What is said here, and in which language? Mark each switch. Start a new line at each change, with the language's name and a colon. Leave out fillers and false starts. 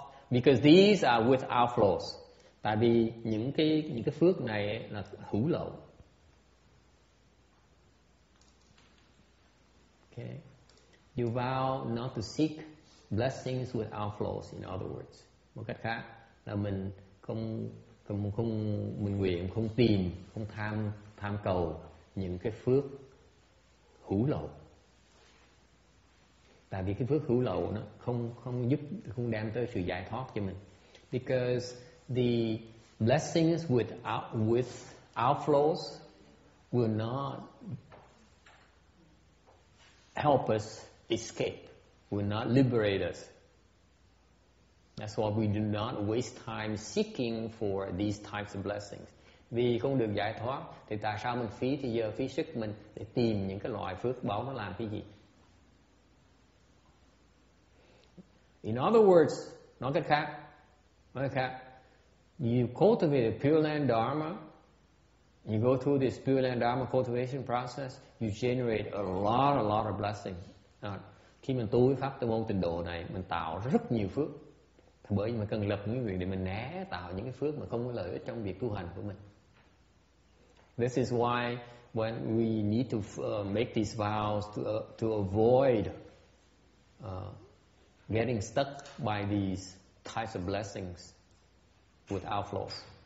English: Because these are without flaws.
Vietnamese: Tại vì những cái phước này ấy, là hữu lậu.
English: Okay. You vow not to seek blessings without flaws, in other words.
Vietnamese: Một cách khác là mình không mình nguyện không tìm, không tham cầu những cái phước hữu lậu. Tại vì cái phước hữu lậu nó không giúp, không đem tới sự giải thoát cho mình.
English: Because the blessings with outflows will not help us escape, will not liberate us. That's why we do not waste time seeking for these types of blessings.
Vietnamese: Vì không được giải thoát thì tại sao mình phí thì giờ phí sức mình để tìm những cái loại phước báo nó làm cái gì?
English: In other words,
Vietnamese: nói cách khác,
English: you cultivate a Pure Land Dharma, you go through this Pure Land Dharma cultivation process, you generate a lot of blessings.
Vietnamese: Khi mình tu với pháp tu môn tịnh độ này, mình tạo rất nhiều phước. Bởi vì mình cần lập nguyện để mình né tạo những cái phước mà không có lợi ích trong việc tu hành của mình.
English: This is why when we need to make these vows to avoid getting stuck by these types of blessings with outflows.